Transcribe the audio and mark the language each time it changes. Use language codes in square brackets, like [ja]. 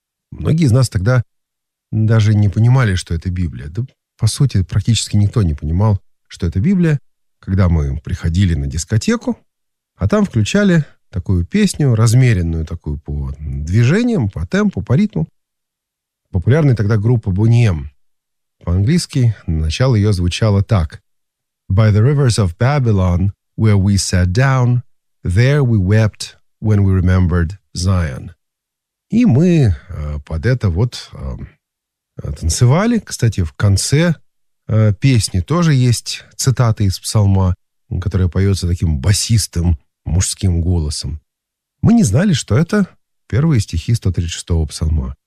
[ru] Многие из нас тогда даже не понимали, что это Библия. Да, по сути, практически никто не понимал, что это Библия, когда мы приходили на дискотеку, а там включали такую песню, размеренную такую по движениям, по темпу, по ритму. Популярная тогда группа Boney M. По-английски начало ее звучало так. [en] By the rivers of Babylon, where we sat down, there we wept when we remembered Zion. [ru] И мы под это вот танцевали. Кстати, в конце песни тоже есть цитаты из псалма, которая поется таким басистым мужским голосом. Мы не знали, что это первые стихи 136-го псалма.